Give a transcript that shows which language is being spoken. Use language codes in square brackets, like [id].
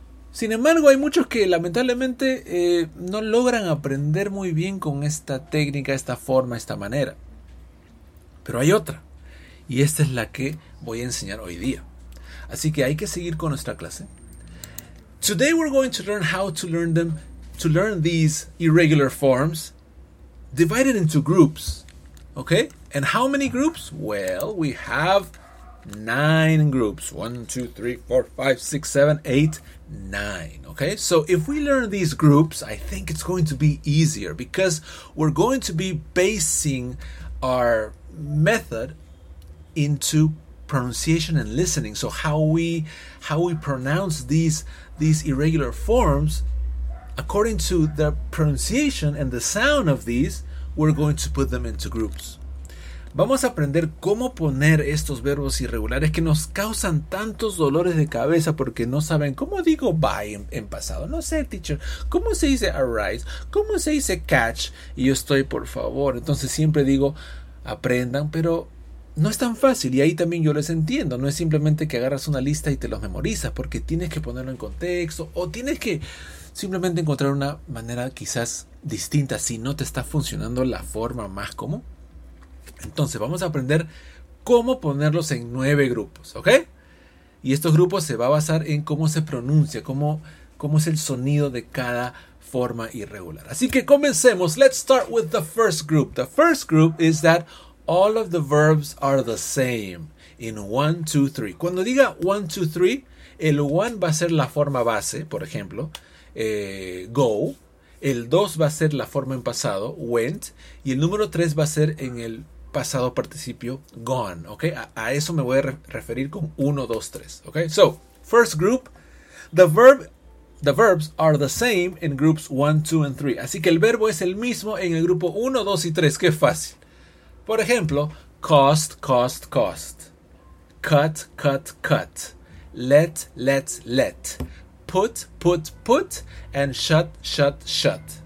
[es] Sin embargo, hay muchos que lamentablemente no logran aprender muy bien con esta técnica, esta forma, esta manera. Pero hay otra, y esta es la que voy a enseñar hoy día. Así que hay que seguir con nuestra clase. [en] Today we're going to learn how to learn them, to learn these irregular forms divided into groups. Okay? And how many groups? Well, we have 9 groups. 1, 2, 3, 4, 5, 6, 7, 8, 9. Okay? So if we learn these groups, I think it's going to be easier because we're going to be basing our method into pronunciation and listening. So how we pronounce these irregular forms according to the pronunciation and the sound of these, we're going to put them into groups. [es] Vamos a aprender cómo poner estos verbos irregulares que nos causan tantos dolores de cabeza porque no saben cómo digo buy en pasado. No sé, teacher, ¿cómo se dice arise? ¿Cómo se dice catch? Y yo estoy, por favor. Entonces siempre digo, aprendan, pero no es tan fácil. Y ahí también yo les entiendo. No es simplemente que agarras una lista y te los memorizas, porque tienes que ponerlo en contexto o tienes que simplemente encontrar una manera quizás distinta si no te está funcionando la forma más común. Entonces vamos a aprender cómo ponerlos en 9 grupos, ¿ok? Y estos grupos se va a basar en cómo se pronuncia, cómo es el sonido de cada forma irregular. Así que comencemos. [en] Let's start with the first group. The first group is that all of the verbs are the same in 1, 2, 3. [es] Cuando diga 1, 2, 3, el 1 va a ser la forma base, por ejemplo, go. El 2 va a ser la forma en pasado, went. Y el número 3 va a ser en el pasado participio, gone. Okay? A eso me voy a referir con 1, 2, 3. Okay? [en] So, first group, the verbs are the same in groups 1, 2, and 3. [es] Así que el verbo es el mismo en el grupo 1, 2 y 3. ¡Qué fácil! Por ejemplo, cost, cost, cost. [en] Cut, cut, cut. Let, let, let. Put, put, put. And shut, shut, shut.